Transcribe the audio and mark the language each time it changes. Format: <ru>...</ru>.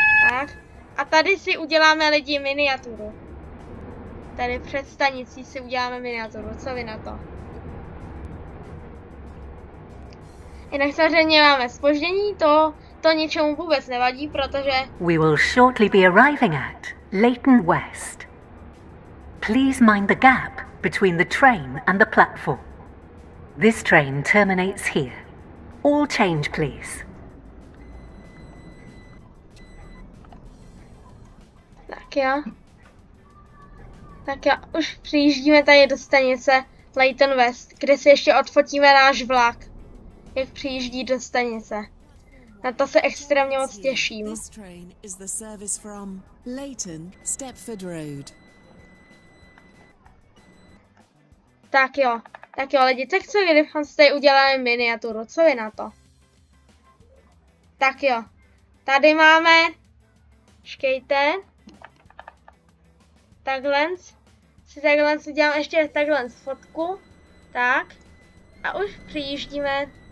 <cs>Tak. A tady si uděláme lidi miniaturu. Tady před stanicí si uděláme miniaturu, co vy na to? Jinak samozřejmě máme zpoždění, to ničemu vůbec nevadí, protože...</cs> <en>We will shortly be arriving at Leighton West. Please mind the gap between the train and the platform. This train terminates here. All change, please.</en> <cs>Tak jo, už přijíždíme tady do stanice Leighton West, kde si ještě odfotíme náš vlak. Jak přijíždí do stanice. Na to se extrémně moc těším.</cs> <en>This train is the service from Leighton Stepford Road.</en> <cs>Tak jo lidi, tak co kdybychom si tady udělali miniaturu, co vy na to? Tak jo, tady máme, čekejte, takhle si udělám ještě takhle fotku, tak a už přijíždíme.</cs>